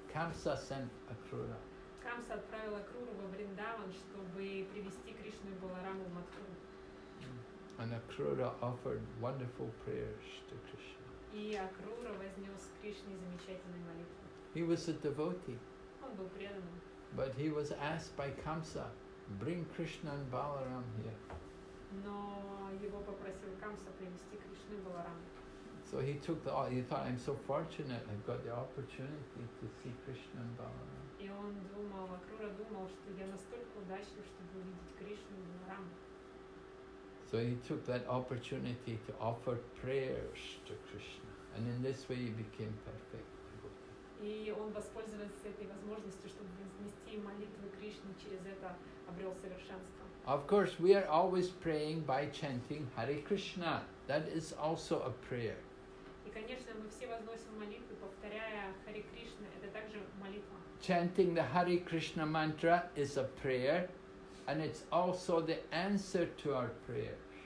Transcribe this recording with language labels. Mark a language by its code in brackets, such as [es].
[en] Камса sent Акрура. [ru] Камса отправил Акруру во Вриндаван, чтобы привести Кришну и Балараму в Матхуру. [en] And Акрура offered wonderful prayers to Krishna. [ru] И Акрура вознес Кришне замечательные молитвы. [en] He was a devotee. [ru] Он был преданным. [en] But he was asked by Kamsa, bring Krishna and Balaram here. [ru] Но его попросил Камса привести Кришну и Баларам. [en] So he took the. He thought, I'm so fortunate. I've got the opportunity to see Krishna and Balaram. [ru] И он думал, Акрура думал, что я настолько удачлив, чтобы увидеть Кришну и Баларам. [en] So he took that opportunity to offer prayers to Krishna, and in this way he became perfect. [ru] И он воспользовался этой возможностью, чтобы вознести молитвы Кришне, через это обрел совершенство. [en] Of course, we are always praying by chanting Hare Krishna. That is also a prayer. [ru] И, конечно, мы все возносим молитвы, повторяя Хари Кришна. Это также молитва. [en] Chanting the Hari Krishna mantra is a prayer, and it's also the answer to our prayers.